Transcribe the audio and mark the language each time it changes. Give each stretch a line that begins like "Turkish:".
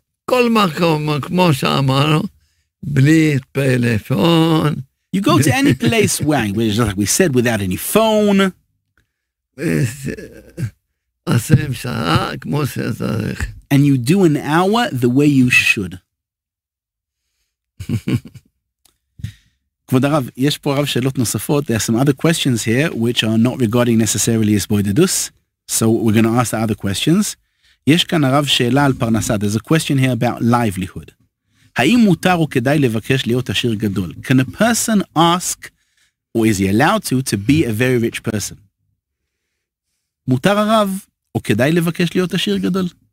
Hebrew: כל מקום, כמו שאמרנו, בלי טלפון.
English: You go to any place where, just like we said, without any phone.
Hebrew: עושים שעה כמו שצריך.
English: And you do an hour the way you should.
Hebrew: כבוד הרב, יש פה רב שאלות נוספות.
English: There are some other questions here, which are not regarding necessarily hisboidedus. So we're going to ask the other questions.
Hebrew: יש כאן הרב שאלה על פרנסה.
English: There's a question here about livelihood.
Hebrew: האם מותר או כדאי לבקש להיות עשיר גדול?
English: Can a person ask, or is he allowed to be a very rich person?
Hebrew: מותר הרב, או כדאי לבקש להיות עשיר גדול?